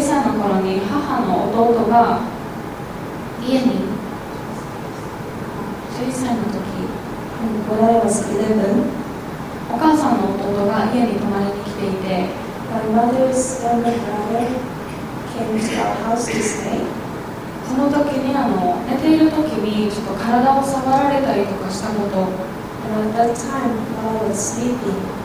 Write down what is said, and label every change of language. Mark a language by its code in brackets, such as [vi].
[ja] 歳の頃に母の弟が家に、11歳の時、 [en] When I was 11, [ja] お母さんの弟が家に泊まりに来ていて、 [en] My mother's younger brother came to our house to stay. [ja] その時に寝ている時にちょっと体を触られたりとかしたこと、 [en] And at that time, while I was sleeping,